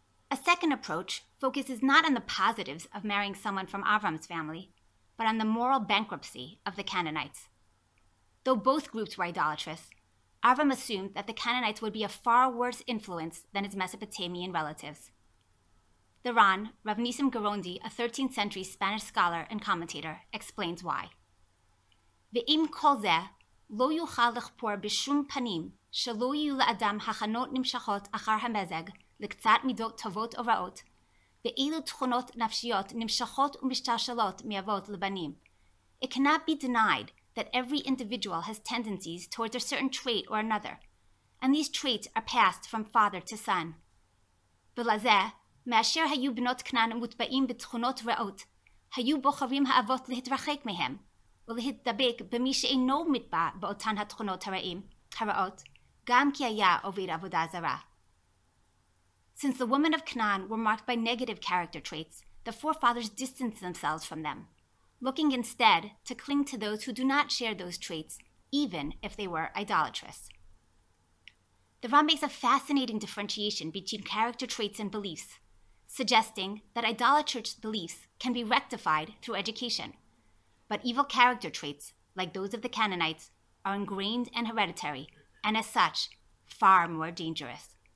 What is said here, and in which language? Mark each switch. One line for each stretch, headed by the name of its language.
English: A second approach focuses not on the positives of marrying someone from Avram's family, but on the moral bankruptcy of the Canaanites. Though both groups were idolatrous, Avram assumed that the Canaanites would be a far worse influence than his Mesopotamian relatives. The Ran, Rav Nissim Gerondi, a 13th century Spanish scholar and commentator, explains why.
Hebrew: Ve'im kol zeh, lo yuchal lechpor b'shum panim, shelo yu la'adam hachanot nimshachot achar hamezeg, לקצת מידות טובות או רעות, ואילו תכונות נפשיות נמשכות ומשתלשלות מאבות לבנים.
English: It cannot be denied that every individual has tendencies towards a certain trait or another, and these traits are passed from father to son.
Hebrew: ולזה, מאשר היו בנות כנען מוטבעים בתכונות רעות, היו בוחרים האבות להתרחק מהם, ולהתדבק במי שאינו מטבע באותן התכונות הרעות, גם כי היה עובד עבודה זרה.
English: Since the women of Canaan were marked by negative character traits, the forefathers distanced themselves from them, looking instead to cling to those who do not share those traits, even if they were idolatrous. The Ram makes a fascinating differentiation between character traits and beliefs, suggesting that idolatrous beliefs can be rectified through education, but evil character traits, like those of the Canaanites, are ingrained and hereditary, and as such, far more dangerous.